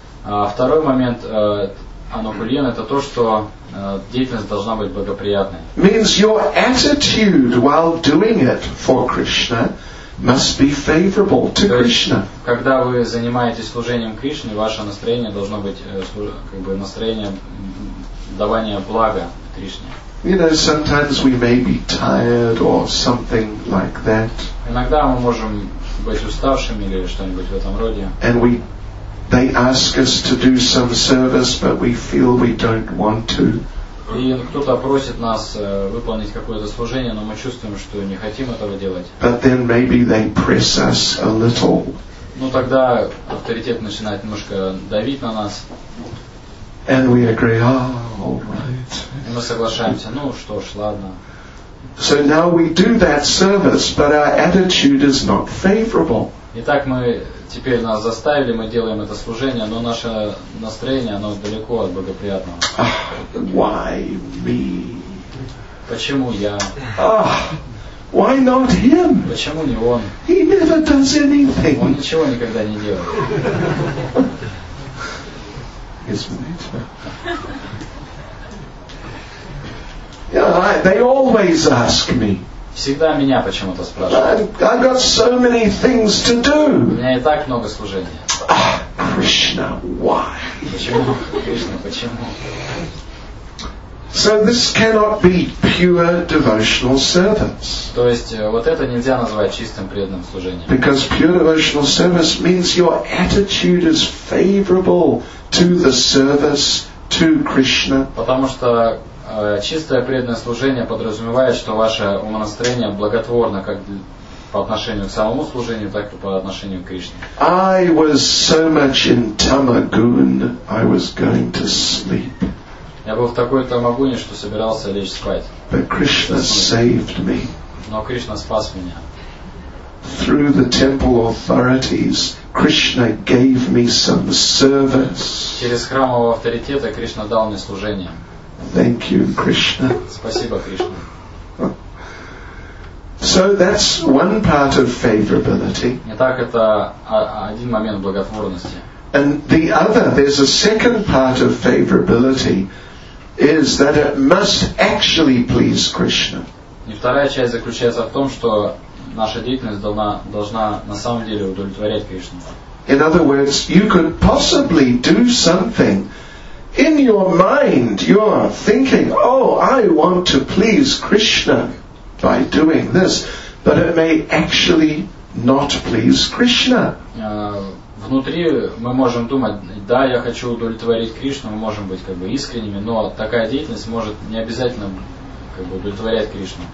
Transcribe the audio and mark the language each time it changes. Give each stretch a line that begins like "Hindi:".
Russian: Второй момент anukulyena это то, что деятельность должна быть благоприятной.
English: Means your attitude while doing it for Krishna must be favorable to Krishna.
Russian: Когда вы занимаетесь служением Кришне, ваше настроение должно быть как бы настроение давания блага Кришне.
English: You know, sometimes we may be tired or something like that.
Russian: Иногда мы можем быть уставшими или что-нибудь в этом роде.
English: And they ask us to do some service, but we feel we don't want to.
Russian: И кто-то просит нас выполнить какое-то служение, но мы чувствуем, что не хотим этого делать.
English: But then maybe they press us a little.
Russian: Ну тогда авторитет начинает немножко давить на нас.
English: And we agree, all right.
Russian: И мы соглашаемся, ну что ж, ладно.
English: So now we do that service, but our attitude is not favorable.
Russian: Итак, мы теперь нас заставили, мы делаем это служение, но наше настроение, оно далеко от благоприятного.
English: Why me?
Russian: Почему я?
English: Why not him?
Russian: Почему не он?
English: He never does anything.
Russian: Он ничего никогда не делает.
English: His mate. Yeah, they always ask me.
Russian: Всегда меня почему-то спрашивают.
English: I've got so many things to do.
Russian: У меня и так много служений.
English: Кришна, why?
Russian: Почему? Кришна, почему?
English: So this cannot be pure devotional service.
Russian: То есть вот это нельзя назвать чистым преданным служением.
English: Because pure devotional service means your attitude is favorable to the service to Krishna.
Russian: Потому что чистое преданное служение подразумевает, что ваше умонастроение благотворно как по отношению к самому служению, так и по отношению к Кришне.
English: I was so much in Tamagun, I was going to sleep.
Russian: Я был в такой Тамагуне, что собирался лечь спать.
English: But Krishna saved me.
Russian: Но Кришна спас меня.
English: Through the temple authorities, Krishna gave me some service.
Russian: Через храмового авторитета Кришна дал мне служение.
English: Thank you, Krishna.
Russian: Спасибо, Кришна.
English: So that's one part of favorability.
Russian: Итак, это один момент благотворности.
English: And the other, there's a second part of favorability, is that it must actually please Krishna.
Russian: И вторая часть заключается в том, что наша деятельность должна на самом деле удовлетворять Кришну.
English: In other words, you could possibly do something. In your mind, you are thinking, "Oh, I want to please Krishna by doing this," but it may actually not please Krishna.
Russian: Внутри мы можем думать, да, я хочу удовлетворить Кришну, мы можем быть как бы искренними, но такая деятельность может не обязательно как бы удовлетворять Кришну.